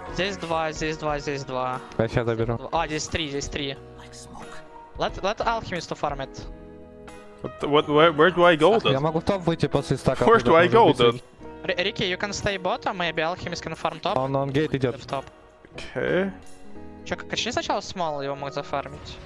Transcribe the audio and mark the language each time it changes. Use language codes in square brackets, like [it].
[ru] Здесь два, здесь два, здесь два. Я сейчас заберу. А, здесь три, здесь три. [en] Let alchemist to farm it. What, where do I go then? [ru] Я могу в топ выйти после стака. [en] Where do I go then? Ricky, you can stay bottom, maybe alchemist can farm top. [ru] Он гейт идет. Окей. Че, качни сначала смол, его мог зафармить.